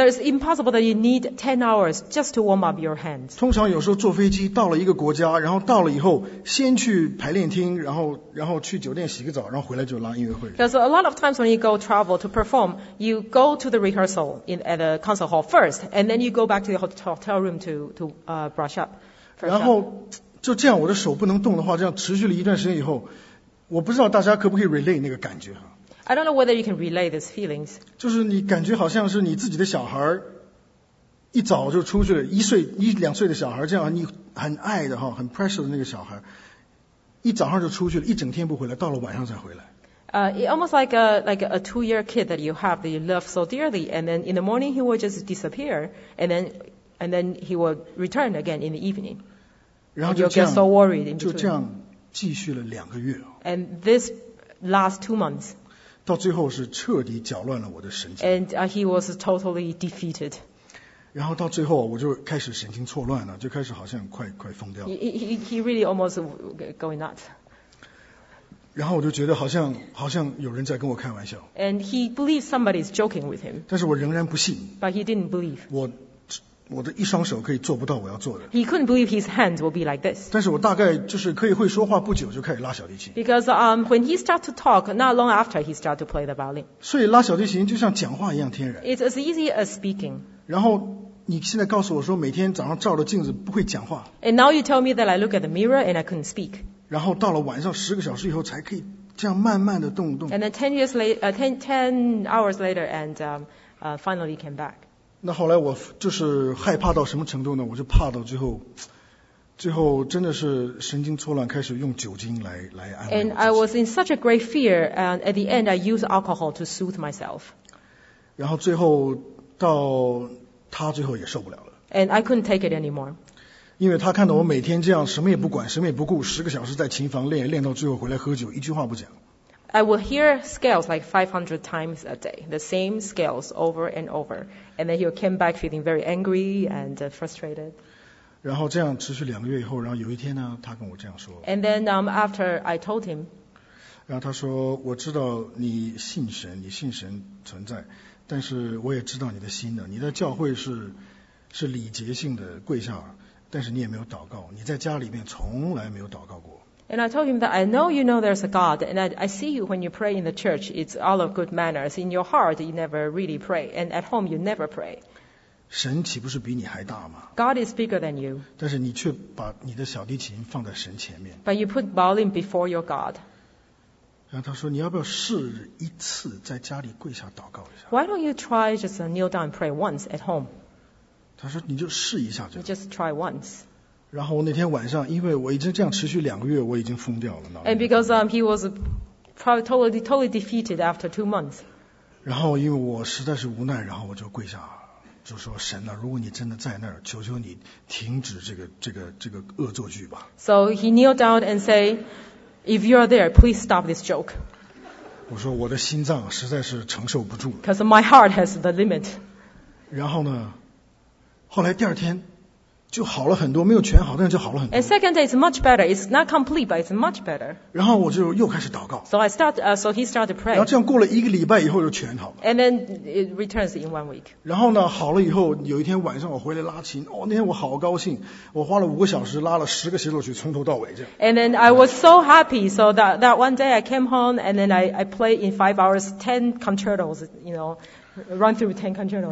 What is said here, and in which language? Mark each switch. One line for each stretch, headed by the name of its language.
English: It's impossible that you need 10 hours just to warm up your hands.
Chinese: 通常有时候坐飞机到了一个国家，然后到了以后先去排练厅，然后去酒店洗个澡，然后回来就拉音乐会。
English: Because a lot of times when you go travel to perform, you go to the rehearsal at the concert hall first, and then you go back to the hotel room to brush up.
Chinese: 然后就这样，我的手不能动的话，这样持续了一段时间以后。我不知道大家可不可以 relay 那个感觉哈。
English: I don't know whether you can relay these feelings.
Chinese: 就是你感觉好像是你自己的小孩一早就出去了，一两岁的小孩，这样你很爱的哈，很 precious 的那个小孩，一早上就出去了，一整天不回来，到了晚上才回来。
English: It almost like a 2-year kid that you have that you love so dearly, and then in the morning he will just disappear, and then he will return again in the evening.
Chinese: 然后就这样。
English: You'll get so worried in between.
Chinese: 就这样继续了两个月。
English: And this last 2 months.
Chinese: 到最后是彻底搅乱了我的神经。
English: And he was totally defeated.
Chinese: 然后到最后我就开始神经错乱了，就开始好像快疯掉了。
English: He really almost going nuts.
Chinese: 然后我就觉得好像有人在跟我开玩笑。
English: And he believed somebody is joking with him.
Chinese: 但是我仍然不信。
English: But he didn't believe.
Chinese: 我的一双手可以做不到我要做的。
English: He couldn't believe his hands will be like this.
Chinese: 但是我大概就是可以会说话不久就开始拉小提琴。
English: Because when he start to talk, not long after he start to play the violin.
Chinese: 所以拉小提琴就像讲话一样天然。
English: It's as easy as speaking.
Chinese: 然后你现在告诉我说每天早上照着镜子不会讲话。
English: And now you tell me that I look at the mirror and I couldn't speak.
Chinese: 然后到了晚上十个小时以后才可以这样慢慢的动。
English: And then ten hours later and finally came back.
Chinese: 那后来我就是害怕到什么程度呢？我就怕到最后真的是神经错乱，开始用酒精来安慰我自己。
English: And I was in such a great fear, and at the end, I used alcohol to soothe myself.
Chinese: 然后最后到他最后也受不了了。
English: And I couldn't take it anymore.
Chinese: 因为他看到我每天这样什么也不管什么也不顾十个小时在琴房练练到最后回来喝酒一句话不讲
English: I will hear scales like 500 times a day the same scales over and over and then he came back feeling very angry and frustrated
Chinese: 然后这样持续两个月以后然后有一天呢他跟我这样说
English: and then after I told him
Chinese: 然后他说我知道你信神你信神存在但是我也知道你的心呢你的教会是礼节性的跪下但是你也没有祷告你在家里面从来没有祷告过
English: and I told him that I know you know there's a God and I see you when you pray in the church it's all of good manners in your heart you never really pray and at home you never pray
Chinese: 神岂不是比你还大吗
English: God is bigger than you
Chinese: 但是你却把你的小提琴放在神前面
English: but you put violin before your God
Chinese: 然后他说你要不要试一次在家里跪下祷告一下
English: why don't you try just kneel down and pray once at home
Chinese: 他说你就试一下这样
English: just try once
Chinese: 然后那天晚上因为我已经这样持续两个月我已经疯掉了
English: and because he was probably totally defeated after 2 months
Chinese: 然后因为我实在是无奈然后我就跪下就说神啊如果你真的在那儿求求你停止这个恶作剧吧
English: so he kneeled down and said if you are there please stop this joke
Chinese: 我说我的心脏实在是承受不住了
English: because my heart has the limit
Chinese: 然后呢后来第二天就好了很多没有全好但就好了很多
English: and second day is much better it's not complete but it's much better
Chinese: 然后我就又开始祷告
English: so he started to pray
Chinese: 然后这样过了一个礼拜以后就全好了
English: and then it returns in 1 week
Chinese: 然后呢好了以后有一天晚上我回来拉琴哦，那天我好高兴我花了5个小时拉了10个协奏曲从头到尾这样
English: and then I was so happy so that one day I came home and then I played in 5 hours 10 concertos you know run through 10 concertos